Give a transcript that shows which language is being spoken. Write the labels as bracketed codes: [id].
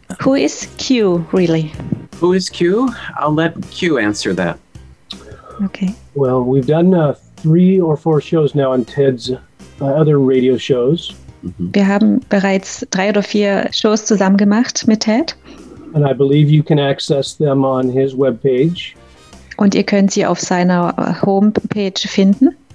[en] Who is Q, really? Who is Q? I'll let Q answer that. Okay. Well, we've done 3 or 4 shows now on Ted's other radio shows. [de] Wir haben bereits 3 oder 4 Shows zusammen gemacht mit Ted. [en] And I believe you can access them on his webpage. [de] Und ihr könnt sie auf seiner Homepage finden.